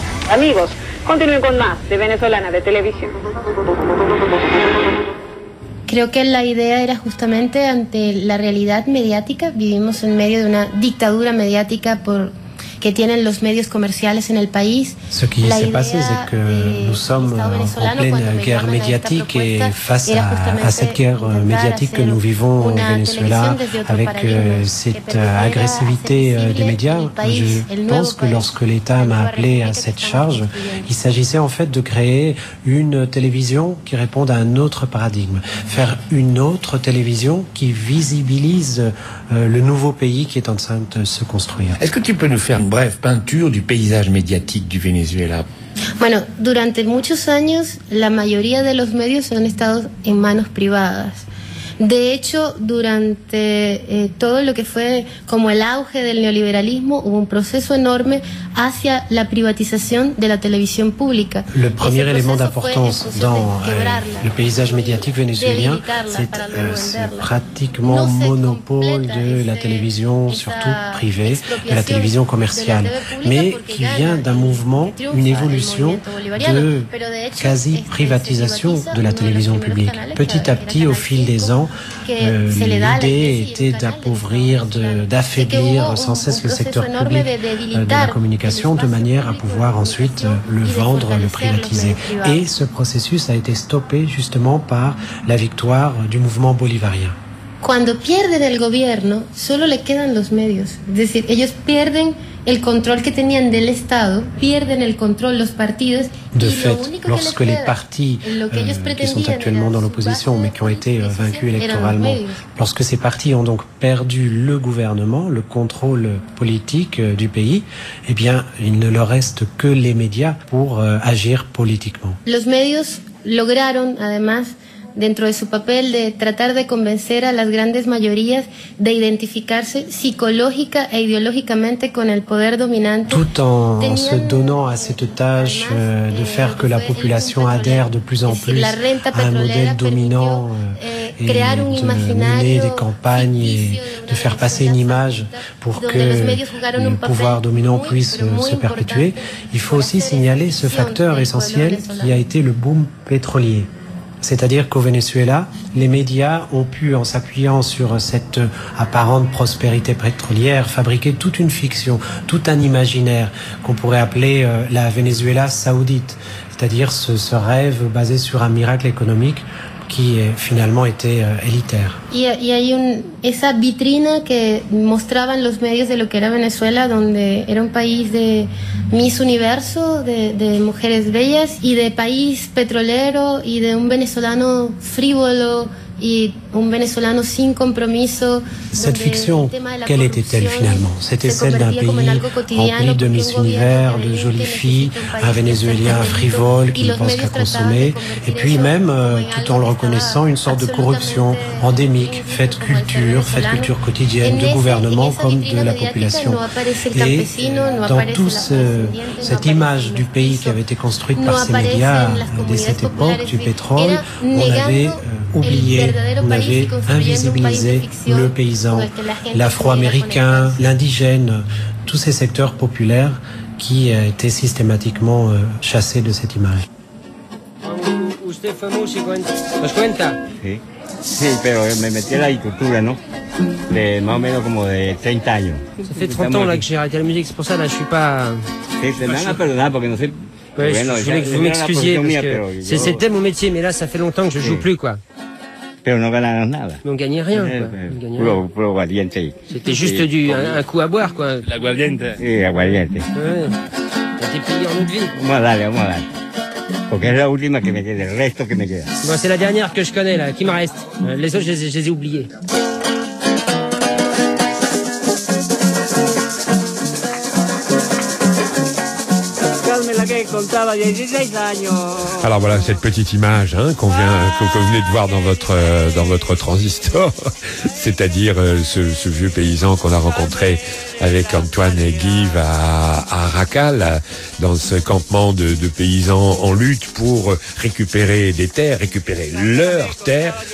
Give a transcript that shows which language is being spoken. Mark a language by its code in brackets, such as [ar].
[es] Amigos, continuez con más de Venezolana de Televisión. Creo que la idea era justamente ante la realidad mediática. Vivimos en medio de una dictadura mediática que tienen los medios comerciales en el país. [fr] Ce qui se passe, c'est que nous sommes en pleine guerre médiatique et face à cette guerre médiatique que nous vivons au Venezuela avec cette agressivité des médias. Je pense que lorsque l'État m'a appelé à cette charge, il s'agissait en fait de créer une télévision qui réponde à un autre paradigme. Faire une autre télévision qui visibilise le nouveau pays qui est en train de se construire. Est-ce que tu peux nous faire une brève peinture du paysage médiatique du Venezuela? [es] Bueno, durante muchos años, la mayoría de los medios han estado en manos privadas. De hecho, durante todo lo que fue como el auge del neoliberalismo, hubo un proceso enorme hacia la privatización de la televisión pública. [fr] Le premier élément d'importance dans le paysage médiatique vénézuélien, c'est pratiquement monopole de la télévision, surtout privée, de la télévision commerciale, mais qui vient d'un mouvement, une évolution de quasi-privatisation de la télévision publique. Petit à petit, au fil des ans, l'idée était d'appauvrir, d'affaiblir sans cesse le secteur public de la communication de manière à pouvoir ensuite le vendre, le privatiser. Et ce processus a été stoppé justement par la victoire du mouvement bolivarien. [es] Cuando pierden el gobierno, solo le quedan los medios. Es decir, ellos pierden el control que tenían del Estado, pierden el control los partidos. [fr] De fait, lorsque les partis qui sont actuellement dans l'opposition mais qui ont été vaincus électoralement, lorsque ces partis ont donc perdu le gouvernement, le contrôle politique du pays, eh bien, il ne leur reste que les médias pour agir politiquement. [es] Los medios lograron además dentro de su papel de tratar de convencer a las grandes mayorías de identificarse psicológica e ideológicamente con el poder dominante. [fr] Tout en se donnant à cette tâche de faire que la population adhère de plus en plus à un modèle dominant et de mener des campagnes et de faire passer une image pour que le pouvoir dominant puisse se perpétuer. Il faut aussi signaler ce facteur essentiel qui a été le boom pétrolier. C'est-à-dire qu'au Venezuela, les médias ont pu, en s'appuyant sur cette apparente prospérité pétrolière, fabriquer toute une fiction, tout un imaginaire qu'on pourrait appeler la Venezuela saoudite. C'est-à-dire ce rêve basé sur un miracle économique qui finalement était élitaire. Il y a [es] esa vitrina que mostraban los medios de lo que era Venezuela, donde era un país de Miss Universo, de mujeres bellas y de país petrolero y de un venezolano frívolo y un venezolano sin compromiso. [fr] Cette fiction, quelle était-elle finalement? C'était celle d'un pays rempli de Miss Univers, de jolies filles, un Vénézuélien frivole qui ne pense qu'à consommer, et puis même, tout en le reconnaissant, une sorte de corruption endémique, faite culture quotidienne, de gouvernement comme de la population. Et dans toute cette image du pays qui avait été construite par ces médias dès cette époque, du pétrole, on avait oublié, on avait invisibilisé le paysan, l'afro-américain, l'indigène, tous ces secteurs populaires qui étaient systématiquement chassés de cette image. [es] Sí, pero me metí a la agricultura, ¿no? De más o menos como de 30 años. [fr] Ça fait 30 ans là que j'ai arrêté la musique, c'est pour ça là je suis pas. [es] Sí, se me han perdonado porque no sé. Pues, bueno, [fr] je voulais que vous m'excusiez parce que c'était mon métier, mais là ça fait longtemps que je joue plus, quoi. [es] Pero no ganaron nada. [fr] No gagné rien, quoi. [es] Puro aguardiente. [fr] C'était juste un coup à boire, quoi. [es] La aguardiente. Sí, aguardiente. [fr] Ouais. T'as été payé en autre vie. [es] Vamos a darle, vamos a darle. Porque es la última que me queda, el resto que me queda. Bueno, [fr] c'est la dernière que je connais, là, qui me reste. Les autres, je les ai oubliés. Alors voilà cette petite image hein, que vous venez de voir dans votre transistor, c'est-à-dire ce vieux paysan qu'on a rencontré avec Antoine et Guy à Racal, dans ce campement de paysans en lutte pour récupérer des terres, récupérer leurs terres.